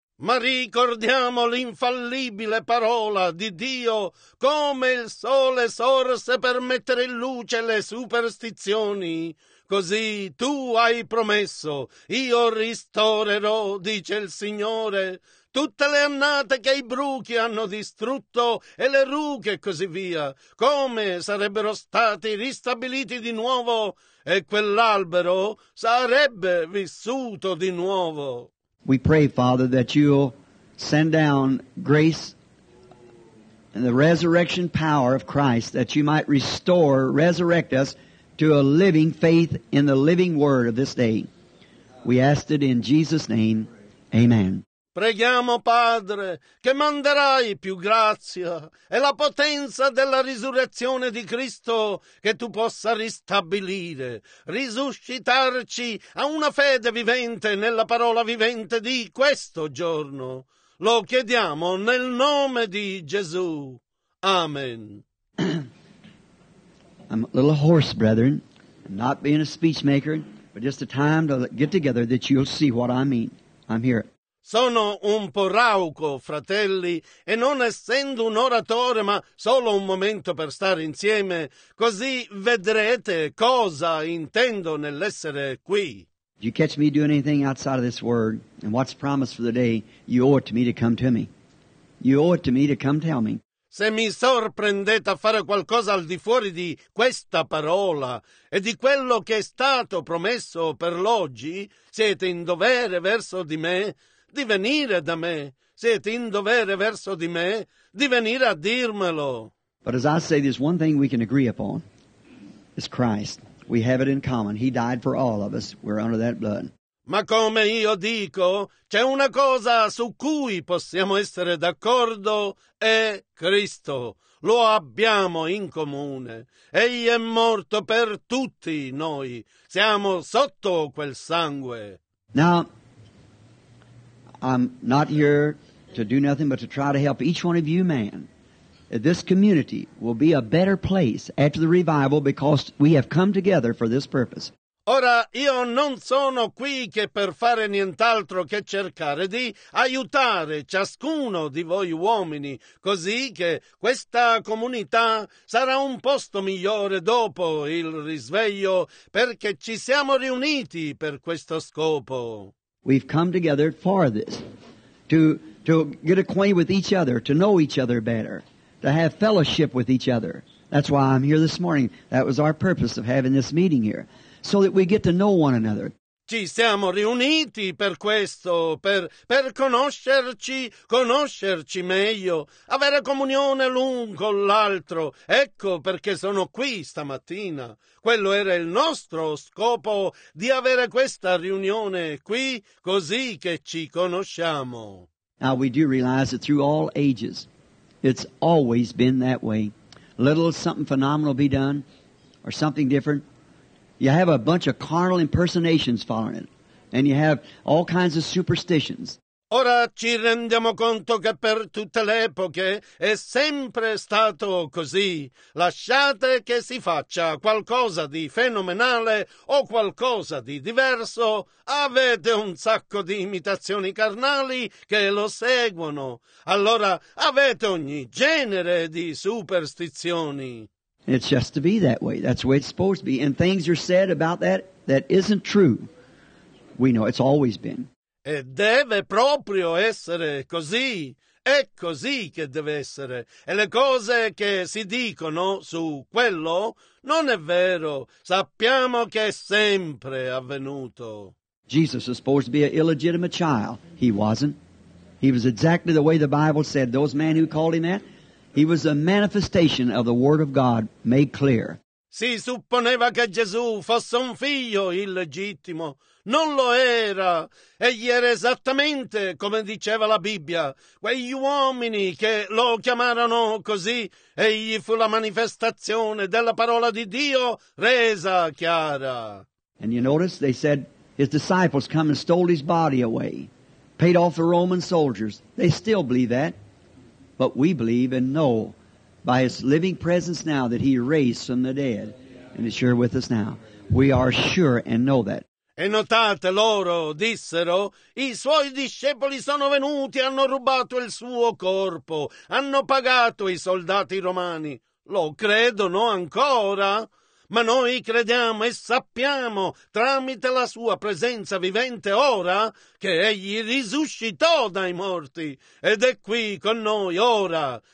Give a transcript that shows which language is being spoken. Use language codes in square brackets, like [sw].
[it] Ma ricordiamo l'infallibile parola di Dio, come il sole sorse per mettere in luce le superstizioni. Così tu hai promesso, io ristorerò, dice il Signore. Tutte le annate che i bruchi hanno distrutto e le ruche e così via, come sarebbero stati ristabiliti di nuovo e quell'albero sarebbe vissuto di nuovo. [en] We pray, Father, that you'll send down grace and the resurrection power of Christ that you might restore, resurrect us to a living faith in the living word of this day. We ask it in Jesus' name. Amen. [it] Preghiamo, Padre, che manderai più grazia e la potenza della risurrezione di Cristo che Tu possa ristabilire, risuscitarci a una fede vivente nella parola vivente di questo giorno. Lo chiediamo nel nome di Gesù. Amen. [en] I'm a little hoarse, brethren, not being a speechmaker, but just a time to get together that you'll see what I mean. I'm here. [it] Sono un po' rauco, fratelli, e non essendo un oratore, ma solo un momento per stare insieme, così vedrete cosa intendo nell'essere qui. [en] Do you catch me doing anything outside of this word? And what's promised for the day, you owe it to me to come to me. You owe it to me to come tell me. [it] Se mi sorprendete a fare qualcosa al di fuori di questa parola e di quello che è stato promesso per l'oggi, siete in dovere verso di me di venire da me. Siete in dovere verso di me di venire a dirmelo. But as I say, there's one thing we can agree upon. It's Christ. We have it in common. He died for all of us. We're under that blood. Ma come io dico, c'è una cosa su cui possiamo essere d'accordo, è Cristo. Lo abbiamo in comune. Egli è morto per tutti noi. Siamo sotto quel sangue. [en] Now, I'm not here to do nothing but to try to help each one of you men. This community will be a better place after the revival because we have come together for this purpose. [it] Ora, io non sono qui che per fare nient'altro che cercare di aiutare ciascuno di voi uomini, così che questa comunità sarà un posto migliore dopo il risveglio, perché ci siamo riuniti per questo scopo. [en] We've come together for this, to get acquainted with each other, to know each other better, to have fellowship with each other. That's why I'm here this morning. That was our purpose of having this meeting here. So that we get to know one another. [it] Ci siamo riuniti per questo, per conoscerci, conoscerci meglio, avere comunione l'un con l'altro. Ecco perché sono qui stamattina. Quello era il nostro scopo di avere questa riunione qui, così che ci conosciamo. [en] Now we do realize that through all ages, it's always been that way. Little something phenomenal be done, or something different. You have a bunch of carnal impersonations following it, and you have all kinds of superstitions. [it] Ora ci rendiamo conto che per tutte le epoche è sempre stato così. Lasciate che si faccia qualcosa di fenomenale o qualcosa di diverso. Avete un sacco di imitazioni carnali che lo seguono. Allora avete ogni genere di superstizioni. [en] It's just to be that way. That's the way it's supposed to be. And things are said about that that isn't true. We know it's always been. [it] E deve proprio essere così. È così che deve essere. E le cose che si dicono su quello non è vero. Sappiamo che è sempre avvenuto. [en] Jesus was supposed to be an illegitimate child. He wasn't. He was exactly the way the Bible said. Those men who called him that, he was a manifestation of the Word of God made clear. [it] Si supponeva che Gesù fosse un figlio illegittimo. Non lo era. Egli era esattamente come diceva la Bibbia. Quegli uomini che lo chiamarono così, egli fu la manifestazione della parola di Dio resa chiara. [en] And you notice they said his disciples come and stole his body away, paid off the Roman soldiers. They still believe that. But we believe and know by his living presence now that he raised from the dead and is here with us now. We are sure and know that. [it] E notate, loro dissero, i suoi discepoli sono venuti, hanno rubato il suo corpo, hanno pagato i soldati romani. Lo credono ancora? Ma noi crediamo e sappiamo, tramite la sua presenza vivente ora, che egli risuscitò dai morti ed è qui con noi ora.